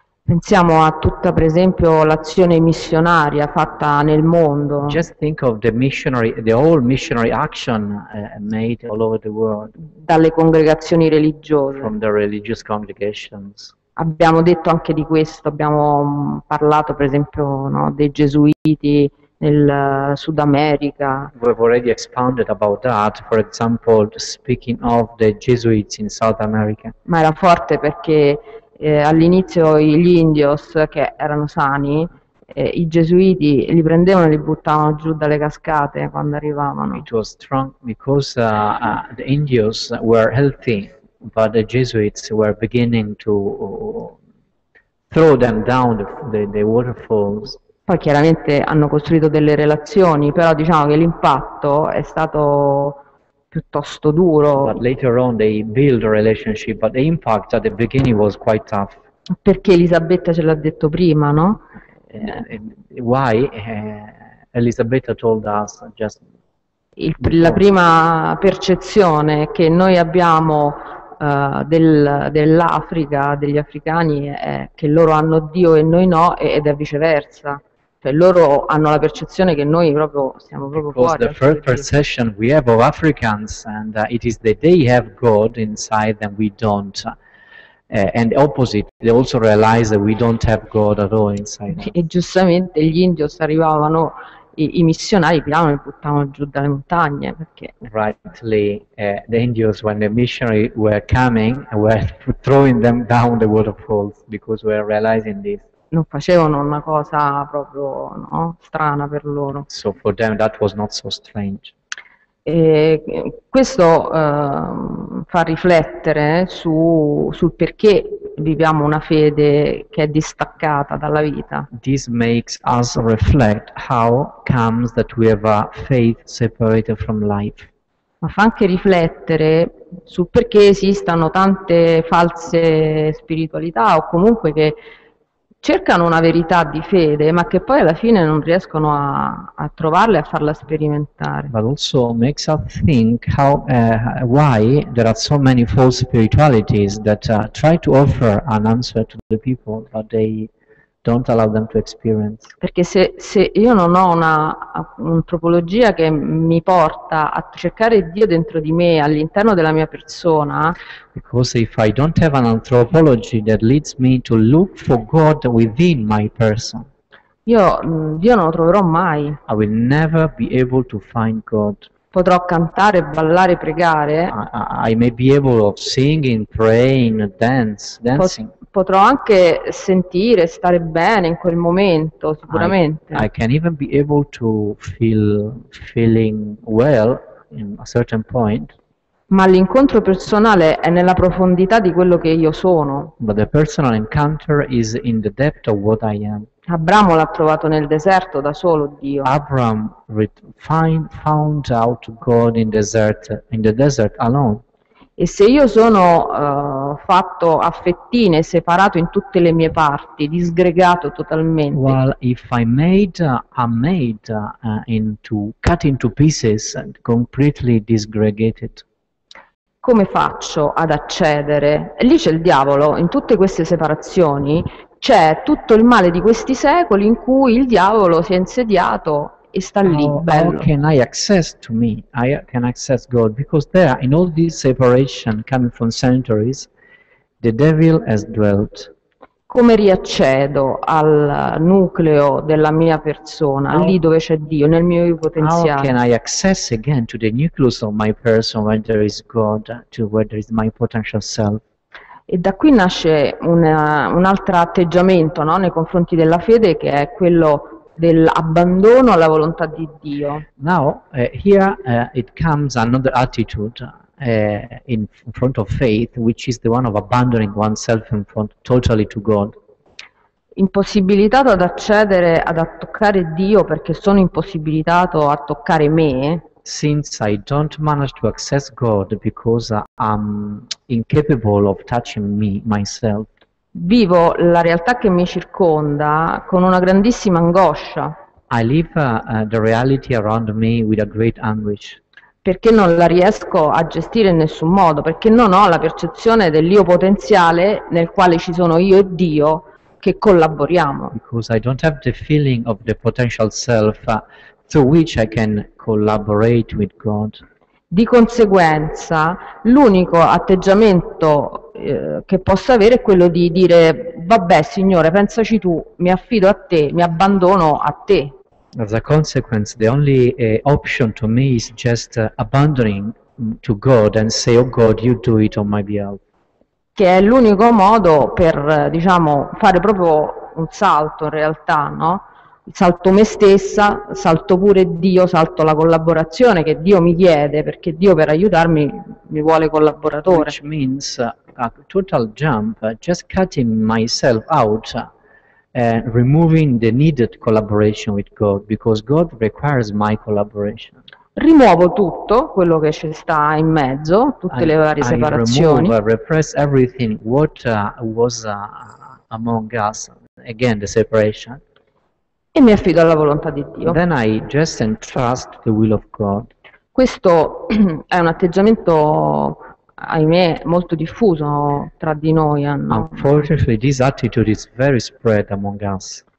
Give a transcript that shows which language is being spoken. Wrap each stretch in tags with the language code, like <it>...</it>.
<it>Pensiamo a tutta, per esempio, l'azione missionaria fatta nel mondo.</it> <en>Just think of the whole missionary action made all over the world.</en> <it>Dalle congregazioni religiose.</it> <en>From the religious congregations.</en> <it>Abbiamo detto anche di questo, abbiamo parlato, per esempio, no, dei gesuiti nel Sud America.</it> <en>We've already expounded about that, for example, speaking of the Jesuits in South America.</en> <it>Ma era forte perché all'inizio gli indios, che erano sani, i gesuiti li prendevano e li buttavano giù dalle cascate quando arrivavano.</it> <en>It was strong because the indios were healthy, but the Jesuits were beginning to throw them down the waterfalls.</en> <it>Poi chiaramente hanno costruito delle relazioni, però diciamo che l'impatto è stato piuttosto duro.</it> <en>But later on they build a relationship, but the impact at the beginning was quite tough.</en> <it>Perché Elisabetta ce l'ha detto prima, no?</it> <en>Why Elisabetta told us just</en> <it>la prima percezione che noi abbiamo dell'Africa, degli africani, è che loro hanno Dio e noi no, ed è viceversa. Cioè loro hanno la percezione che noi proprio siamo proprio</it> <en>because</en> <it>fuori.</it> <en>The first perception we have of Africans and it is that they have God inside them, we don't. And opposite, they also realize that we don't have God at all inside.</en> <it>E giustamente gli indios arrivavano, i missionari piano e buttavano giù dalle montagne perché.</it> <en>Rightly, the Indians, when the missionaries were coming, were throwing them down the waterfalls because we are realizing this.</en> <it>Non facevano una cosa proprio, no, strana per loro.</it> <en>So for them that was not so strange.</en> <it>E questo fa riflettere sul perché viviamo una fede che è distaccata dalla vita.</it> <en>This makes us reflect how comes that we have a faith separated from life.</en> <it>Ma fa anche riflettere sul perché esistano tante false spiritualità o comunque che cercano una verità di fede, ma che poi alla fine non riescono a trovarla e a farla sperimentare.</it> <en>But also makes us think how why there are so many false spiritualities that try to offer an answer to the people, but they don't allow them to experience.</en> <it>Perché se io non ho un'antropologia che mi porta a cercare Dio dentro di me, all'interno della mia persona.</it> <en>Because if I don't have an anthropology that leads me to look for God within my person.</en> <it>Io non lo troverò mai.</it> <en>I will never be able to find God.</en> <it>Potrò cantare, ballare, pregare.</it> <en>I may be able of singing, praying, dancing.</en> <it>Potrò anche sentire, stare bene in quel momento, sicuramente.</it> <en>I can even be able to feeling well in a certain point.</en> <it>Ma l'incontro personale è nella profondità di quello che io sono.</it> <en>But the personal encounter is in the depth of what I am.</en> <it>Abramo l'ha trovato nel deserto da solo Dio.</it> <en>Abram found out God in the desert alone.</en> <it>E se io sono fatto a fettine, separato in tutte le mie parti, disgregato totalmente.</it> <en>Well, if I'm made, cut into pieces, completely disgregated.</en> <it>Come faccio ad accedere? E lì c'è il diavolo, in tutte queste separazioni, c'è tutto il male di questi secoli in cui il diavolo si è insediato. E sta lì, bello.</it> <en>How can I access to me? I can access God because there, in all this separation coming from centuries, the devil has dwelt.</en> <it>Come riaccedo al nucleo della mia persona, lì dove c'è Dio, nel mio potenziale?</it> <en>How can I access again to the nucleus of my person where there is God, to where there is my potential self?</en> <it>E da qui nasce un altro atteggiamento, no, nei confronti della fede, che è quello dell'abbandono alla volontà di Dio.</it> <en>Now, here it comes another attitude in front of faith, which is the one of abandoning oneself in front totally to God.</en> <it>Impossibilitato ad accedere, ad toccare Dio, perché sono impossibilitato a toccare me.</it> <en>Since I don't manage to access God because I'm incapable of touching me, myself.</en> <it>Vivo la realtà che mi circonda con una grandissima angoscia.</it> <en>I live the reality around me with a great anguish.</en> <it>Perché non la riesco a gestire in nessun modo, perché non ho la percezione dell'io potenziale nel quale ci sono io e Dio che collaboriamo.</it> <en>Because I don't have the feeling of the potential self through which I can collaborate with God.</en> <it>Di conseguenza, l'unico atteggiamento che posso avere è quello di dire: vabbè, Signore, pensaci tu, mi affido a te, mi abbandono a te.</it> <en>As a consequence, the only option to me is just abandoning to God and say, oh God, you do it on my behalf.</en> <it>Che è l'unico modo per, diciamo, fare proprio un salto in realtà, no? salto me stessa, salto pure Dio, salto la collaborazione che Dio mi chiede, perché Dio per aiutarmi mi vuole collaboratore.</it> <en>Which means a total jump, just cutting myself out and removing the needed collaboration with God, because God requires my collaboration.</en> <it>Rimuovo tutto quello che ci sta in mezzo, tutte le varie separazioni.</it> <en>I repress everything what was among us, again the separation.</en> <it>E mi affido alla volontà di Dio.</it> <en>Then I just entrust the will of God.</en> <it>Questo è un atteggiamento, ahimè, molto diffuso tra di noi. No?</it> <en>Unfortunately, this attitude is very spread among us.</en>